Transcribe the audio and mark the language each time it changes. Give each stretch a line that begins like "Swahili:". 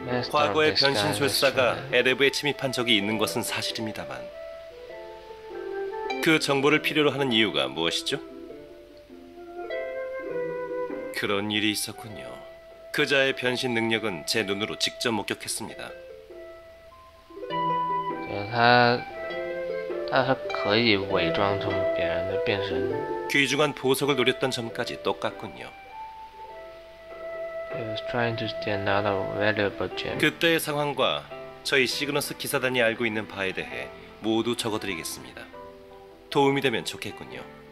Korean: 과거의 변신 술사가 에레브에 침입한 적이 있는 것은 사실입니다만, 그 정보를 필요로 하는 이유가 무엇이죠? 그런 일이 있었군요. 그자의 변신 능력은 제 눈으로 직접 목격했습니다.
Chinese: 他可以伪装成别人的变身.
Korean: 귀중한 보석을 노렸던 점까지 똑같군요.
English: He was trying to steal another valuable gem.
Korean: 그때의 상황과 저희 시그너스 기사단이 알고 있는 바에 대해 모두 적어드리겠습니다. 도움이 되면 좋겠군요.